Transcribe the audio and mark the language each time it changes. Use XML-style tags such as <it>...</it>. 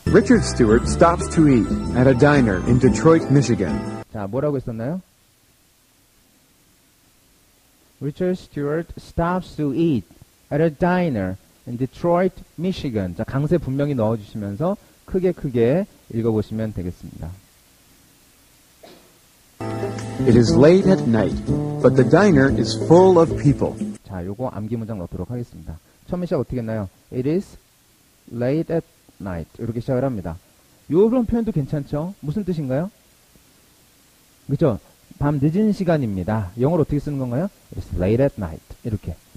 <en>Richard Stewart stops to eat at a diner in Detroit, Michigan.</en> <ko>자, 뭐라고 했었나요?</ko> <en>Richard Stewart stops to eat at a diner in Detroit, Michigan.</en> <ko>자, 강세 분명히 넣어주시면서 크게 읽어보시면 되겠습니다.</ko> <en>It is late at night, but the diner is full of people.</en> <ko>자, 요거 암기 문장 넣도록 하겠습니다. 처음에 시작 어떻게 했나요?</ko> <en>It is late at night.</en> <ko>이렇게 시작을 합니다. 요런 표현도 괜찮죠? 무슨 뜻인가요? 그죠? 밤 늦은 시간입니다. 영어로 어떻게 쓰는 건가요?</ko> <en>It's late at night.</en> <ko>이렇게.</ko>